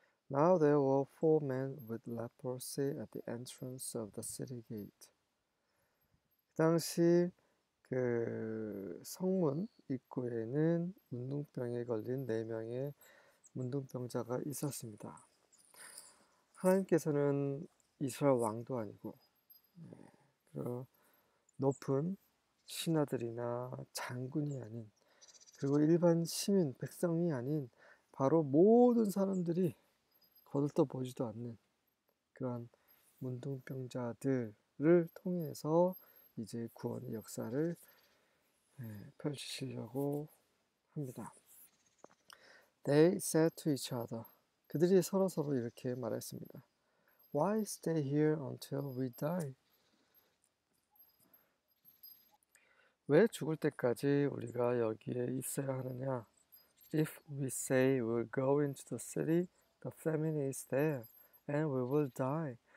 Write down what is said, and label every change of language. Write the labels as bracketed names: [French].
[English] Now there were four men with leprosy at the entrance of the city gate. [Korean] 당시 그 성문 입구에는 문둥병에 걸린 네 명의 문둥병자가 있었습니다. 하나님께서는 이스라엘 왕도 아니고 그 높은 신하들이나 장군이 아닌 그리고 일반 시민 백성이 아닌 바로 모든 사람들이 거들떠보지도 않는 그런 문둥병자들을 통해서 이제 구원의 역사를 펼치시려고 합니다. [English] They said to each other. [Korean] 그들이 서로서로 이렇게 말했습니다. [English] Why stay here until we die? [Korean] 왜 죽을 때까지 우리가 여기에 있어야 하느냐? [English] If we say we'll go into the city, the famine is there and we will die.